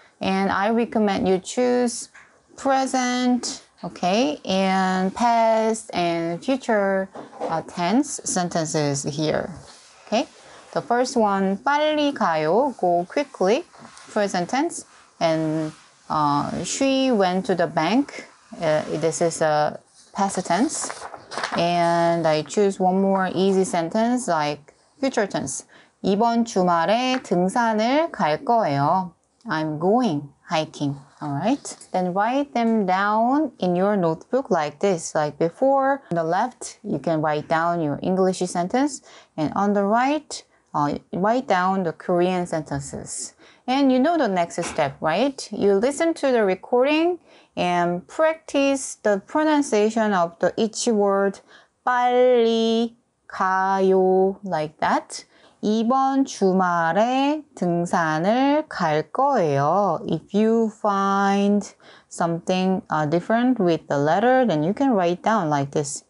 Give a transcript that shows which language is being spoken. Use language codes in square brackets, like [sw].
[en] And I recommend you choose present, okay, and past and future tense sentences here. Okay, the first one, [ko] 빨리 가요, [en] go quickly, present tense. And she went to the bank, this is a past tense. And I choose one more easy sentence, like future tense. [ko] 이번 주말에 등산을 갈 거예요. [en] I'm going hiking. All right. Then write them down in your notebook like this. Like before, on the left, you can write down your English sentence. And on the right, write down the Korean sentences. And you know the next step, right? You listen to the recording and practice the pronunciation of the each word. [ko] 빨리 가요. [en] Like that. [ko] 이번 주말에 등산을 갈 거예요. [en] If you find something different with the letter, then you can write down like this.